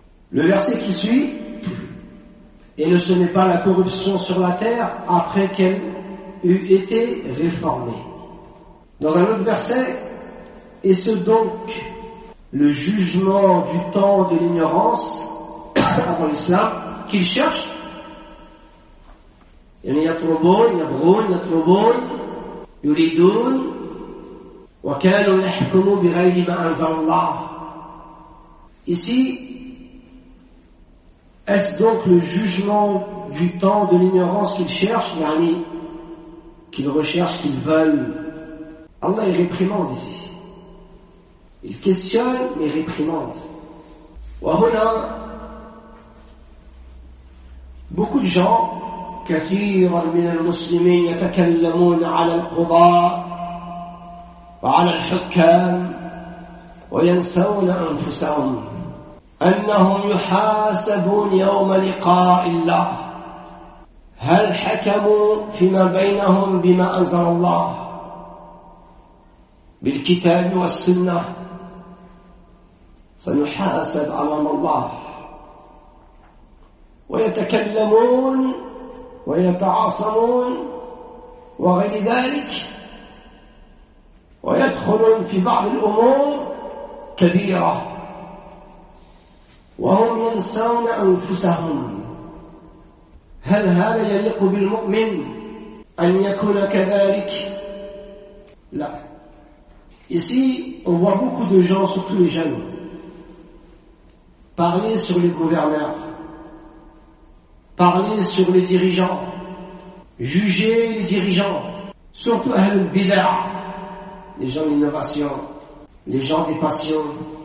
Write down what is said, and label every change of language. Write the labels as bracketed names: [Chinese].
[French] Le verset qui suit, et ne semez pas la corruption sur la terre après qu'elle eut été réformée. Dans un autre verset, et ce donc le jugement du temps de l'ignorance avant l'islam qu'il cherche. [Arabic] يطلبون يبغون يطلبون يريدون وكانوا يحكموا بغير ما أنزل الله. [French] Ici, est-ce donc le jugement du temps de l'ignorance qu'ils cherchent, yani qu'ils recherchent, qu'ils veulent? Allah est réprimande ici. Il questionne mais réprimande. [Arabic] وهنا [French] beaucoup de gens [Arabic] كثيرا من المسلمين يتكلمون على القضاء وعلى الحكام وينسون أنفسهم أنهم يحاسبون يوم لقاء الله. هل حكموا فيما بينهم بما أنزل الله بالكتاب والسنة؟ سنحاسب على الله. ويتكلمون ويتعاصمون وغير ذلك، ويدخلون في بعض الأمور كبيرة وهم ينسون أنفسهم. هل هذا يليق بالمؤمن أن يكون كذلك؟ لا. [French] Ici, on voit beaucoup de gens, surtout les jeunes, parler sur les gouverneurs, parler sur les dirigeants, juger les dirigeants, surtout Ahl al-Bid'ah, les gens d'innovation, les gens des passions.